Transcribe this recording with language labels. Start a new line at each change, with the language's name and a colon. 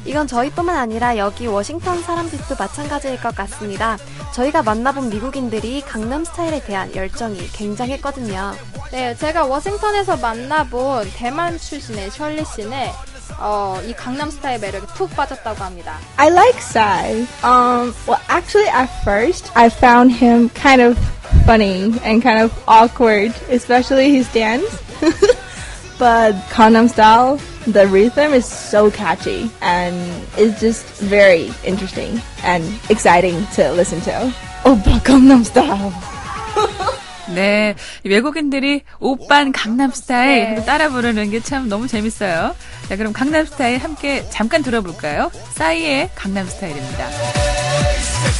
Korean: 이건 저희뿐만 아니라 여기 워싱턴 사람들도 마찬가지일 것 같습니다. 저희가 만나본 미국인들이 강남스타일에 대한 열정이 굉장했거든요. 네, 제가 워싱턴에서 만나본 대만 출신의 셜리 씨는 이 강남 스타일 매력에 푹 빠졌다고 합니다.
English: I like Psy. Well, actually, at first, I found him kind of funny and kind of awkward, especially his dance. But Gangnam Style, the rhythm is so catchy and it's just very interesting and exciting to listen to.
Korean: Oppa Gangnam Style. 네, 외국인들이 오빤 강남스타일 네. 따라 부르는 게 참 너무 재밌어요. 자, 그럼 강남스타일 함께 잠깐 들어볼까요? 싸이의 강남스타일입니다.